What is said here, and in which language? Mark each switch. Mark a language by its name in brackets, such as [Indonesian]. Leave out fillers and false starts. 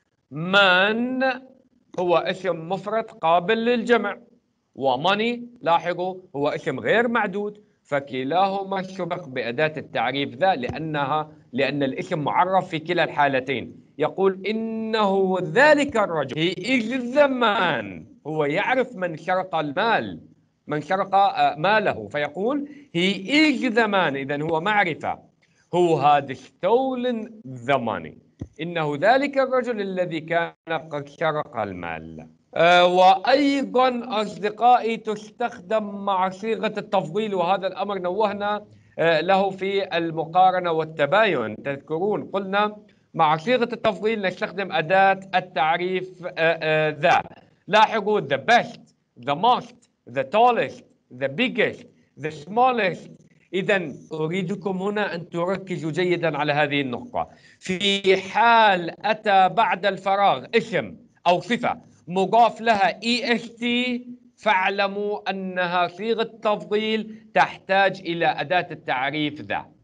[Arabic] من هو اسم مفرد قابل للجمع، وماني لاحظوا هو اسم غير معدود، فكلاهما سبق بأداة التعريف ذا لأن الاسم معرف في كلا الحالتين. يقول إنه ذلك الرجل. [English] He is the man. [Arabic] هو يعرف من سرق المال، من سرق ماله، فيقول [English] He is the man. [Arabic] إذن هو معرفة. [English] Who had stolen the money. [Arabic] إنه ذلك الرجل الذي كان قد سرق المال. وأيضا أصدقائي تستخدم مع صيغة التفضيل، وهذا الأمر نوهنا له في المقارنة والتباين، تذكرون قلنا مع صيغة التفضيل نستخدم أداة التعريف ذا. لاحظوا [English] the best, the most, the tallest, the biggest, the smallest. [Arabic] إذن أريدكم هنا أن تركزوا جيدا على هذه النقطة. في حال أتى بعد الفراغ اسم أو صفة مضاف لها EST فاعلموا أنها صيغة تفضيل تحتاج إلى أداة التعريف ذا.